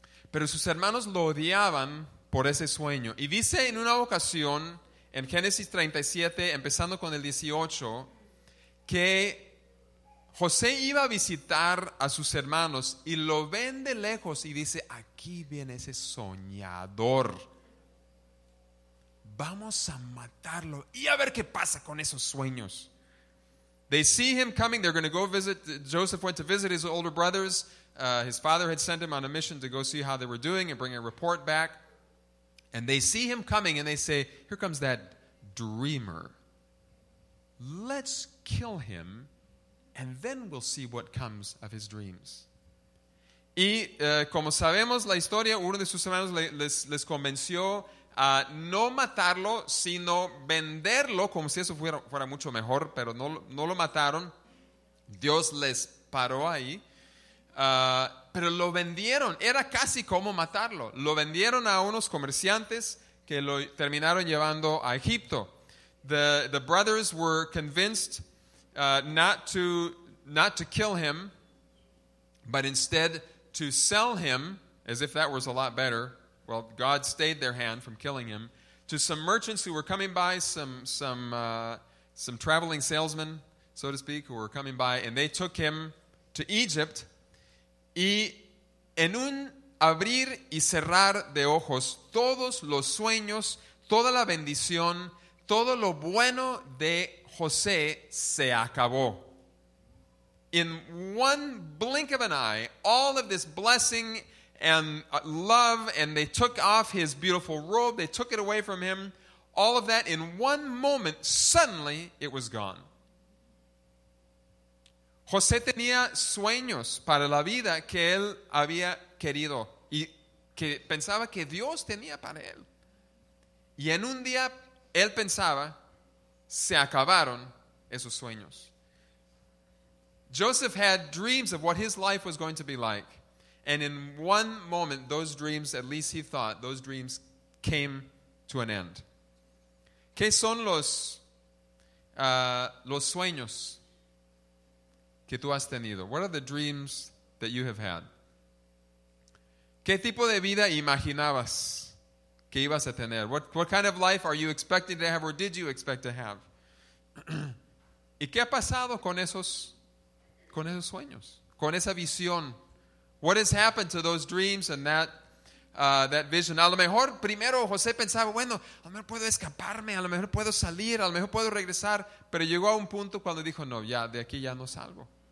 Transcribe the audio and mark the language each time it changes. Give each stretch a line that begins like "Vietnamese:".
Spanish: Pero sus hermanos lo odiaban por ese sueño. Y dice en una ocasión, en Génesis 37, empezando con el 18, que José iba a visitar a sus hermanos y lo ven de lejos y dice, aquí viene ese soñador. Vamos a matarlo y a ver qué pasa con esos sueños.
English: They see him coming. They're going to go visit. Joseph went to visit his older brothers. His father had sent him on a mission to go see how they were doing and bring a report back. And they see him coming and they say, here comes that dreamer. Let's kill him and then we'll see what comes of his dreams.
Spanish: Y como sabemos la historia, uno de sus hermanos les convenció a no matarlo, sino venderlo, como si eso fuera mucho mejor, pero no lo mataron. Dios les paró ahí. Pero lo vendieron, era casi como matarlo. Lo vendieron a unos comerciantes que lo terminaron llevando a Egipto.
English: The brothers were convinced not to kill him, but instead to sell him, as if that was a lot better. Well, God stayed their hand from killing him, to some merchants who were coming by, some traveling salesmen, so to speak, who were coming by, and they took him to Egypt.
Spanish: Y en un abrir y cerrar de ojos, todos los sueños, toda la bendición, todo lo bueno de José se acabó.
English: In one blink of an eye, all of this blessing and love, and they took off his beautiful robe, they took it away from him, all of that, in one moment, suddenly, it was gone.
Spanish: José tenía sueños para la vida que él había querido y que pensaba que Dios tenía para él. Y en un día, él pensaba, se acabaron esos sueños.
English: Joseph had dreams of what his life was going to be like. And in one moment, those dreams, at least he thought, those dreams came to an end.
Spanish: ¿Qué son los sueños que tú has tenido?
English: What are the dreams that you have had?
Spanish: ¿Qué tipo de vida imaginabas que ibas a tener?
English: What kind of life are you expecting to have or did you expect to have?
Spanish: ¿Y qué ha pasado con esos sueños? ¿Con esa visión?
English: What has happened to those dreams and that vision?
Spanish: A lo mejor primero José pensaba, bueno, a lo mejor puedo escaparme, a lo mejor puedo salir, a lo mejor puedo regresar. Pero llegó a un punto cuando dijo, no, ya, de aquí ya no salgo.